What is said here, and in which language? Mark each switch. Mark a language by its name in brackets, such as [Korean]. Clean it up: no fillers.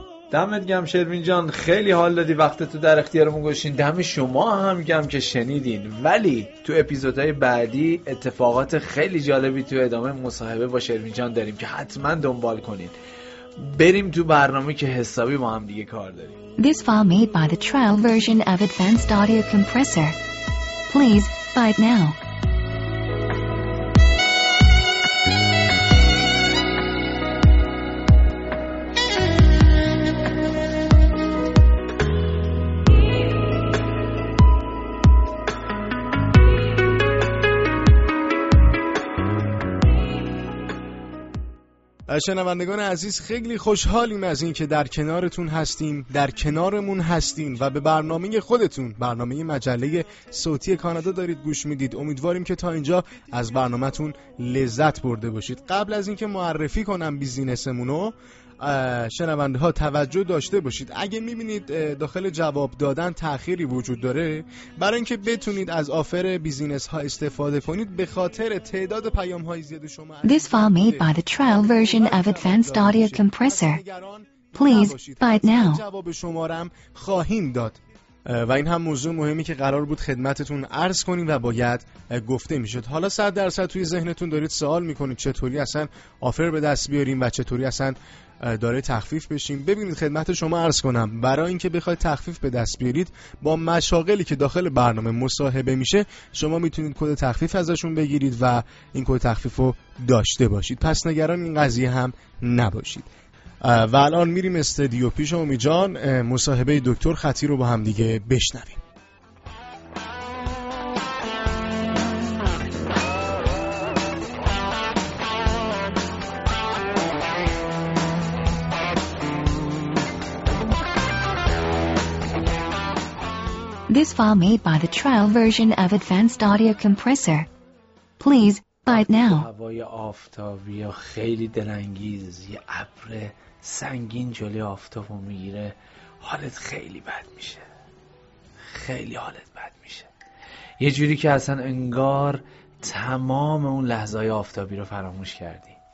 [Persian] دمت گرم شروین جان، خیلی حال دادی وقتتو در اختیارمون گذاشتین. دم شما هم گرم که شنیدین. ولی تو اپیزودهای بعدی اتفاقات خیلی جالبی تو ادامه مصاحبه با شروین جان داریم که حتما دنبال کنین. بریم تو برنامه که حسابی با هم دیگه کار داریم. [English] This file made by the trial version of Advanced Audio Compressor. Please buy it now. [Persian] شنوندگان عزیز، خیلی خوشحالیم از این که در کنارتون هستیم، در کنارمون هستیم و به برنامه خودتون، برنامه مجله صوتی کانادا دارید گوش میدید. امیدواریم که تا اینجا از برنامه‌تون لذت برده باشید. قبل از این که معرفی کنم بیزینسمونو، شنونده ها توجه داشته باشید اگه میبینید داخل جواب دادن تأخیری وجود داره، برای اینکه بتونید از آفر بیزینس ها استفاده کنید به خاطر تعداد پیام های زیاد شما. [English] This file made by the trial version of Advanced Audio Compressor. Please buy it now. [Persian] جواب شمارم خواهیم داد. و این هم موضوع مهمی که قرار بود خدمتتون عرض کنیم و باید گفته میشد. حالا 100% توی ذهنتون دارید سوال میکنید چطوری اصلا آفر به دست بیاریم و چطوری اصلا داره تخفیف بشیم. ببینید خدمت شما عرض کنم، برای اینکه بخواید تخفیف به دست بیارید با مشاغلی که داخل برنامه مصاحبه میشه، شما میتونید کد تخفیف ازشون بگیرید و این کد تخفیف رو داشته باشید. پس نگران این قضیه هم نباشید. و الان میریم استودیو پیش امید جان، مصاحبه دکتر خطی رو با هم دیگه بشنویم. [English] This file made by the trial version of Advanced Audio Compressor. Please buy it now. [Persian] هوای آفتابی و خیلی دلانگیز، یه ابر سنگین جلوی آفتابو میگیره، حالت خیلی بد میشه. خیلی حالت بد میشه. یه جوری که اصلا انگار تمام اون لحظه‌های آفتابی رو فراموش کردی.